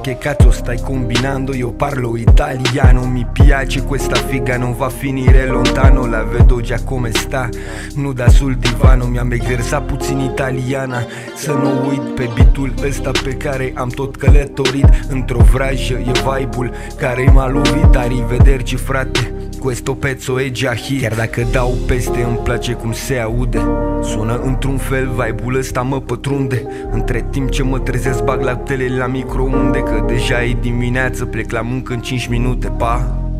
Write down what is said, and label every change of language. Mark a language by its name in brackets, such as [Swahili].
[Italian] Che cazzo stai combinando? Io parlo italiano. Mi piace questa figa, non va a finire lontano. La vedo già come sta nuda sul divano. [Romanian] Mi-am exersat puțin italiana, să nu uit pe bitul ăsta pe care am tot călătorit. Într-o vrajă e vibe-ul care m-a lovit. [Italian] Arrivederci frate, questo pezzo e già hit. [Romanian] Chiar dacă dau peste, îmi place cum se aude. Sună într-un fel, vibe-ul ăsta mă pătrunde. Între timp ce mă trezesc, bag laptele la microunde. Că deja e dimineață, plec la muncă în 5 minute, pa.